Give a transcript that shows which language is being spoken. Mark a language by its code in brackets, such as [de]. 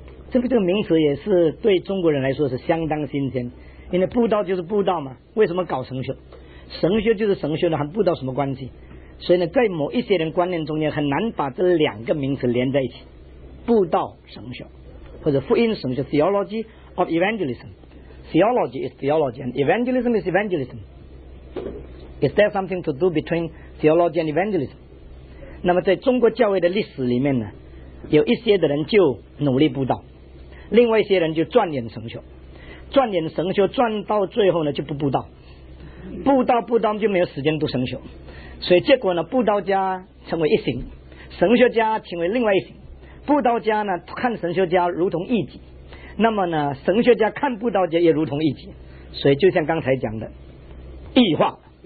[zh] 这个名词也是对中国人来说是相当新鲜，因为布道就是布道嘛，为什么搞神学？神学就是神学呢，和布道什么关系？所以呢，在某一些人观念中间很难把这两个名词连在一起，布道神学或者福音神学 Theology of Evangelism。 [en] Theology is Theology and Evangelism is Evangelism。 Is there something to do between Theology and Evangelism？ [zh] 那么在中国教会的历史里面呢，有一些的人就努力布道，另外一些人就钻研神学，钻研神学钻到最后呢就不布道，布道就没有时间读神学，所以结果呢布道家成为一行，神学家成为另外一行，布道家呢看神学家如同异己，那么呢神学家看布道家也如同异己，所以就像刚才讲的异化，